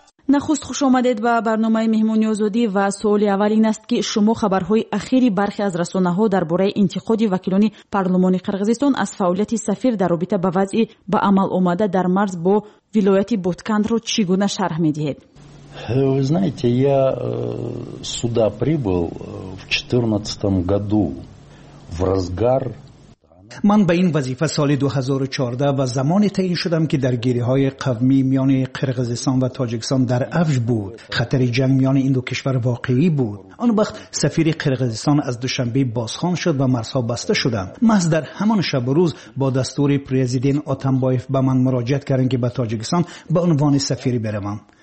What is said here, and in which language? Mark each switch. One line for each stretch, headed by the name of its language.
Persian: نخست خوش آمدید به برنامه مهمانی آزادی و سوال اول این است که شما خبرهای اخیری برخی از رسانه ها درباره انتقاد وکیلان پارلمان قرغیزستان از فعالیت سفیر در رابطه با وضع به عمل آمده در مرز با ولایت بودکند را چگونه شرح می دهید؟
Russian: Вы знаете, я сюда прибыл в 14 году в разгар.
Persian: من به این وظیفه سال 2014 و زمانی تعیین شدم که درگیری‌های قومی میان قرغیزستان و تاجیکستان در اوج بود. خطر جنگ میان این دو کشور واقعی بود. آن وقت سفیر قرغیزستان از دوشنبه بازخوان شد و مرزها بسته شدند. محض در همان شب و روز با دستور پرزیدنت آتمبایف به من مراجعه کردند که به تاجیکستان به عنوان سفیر بروم.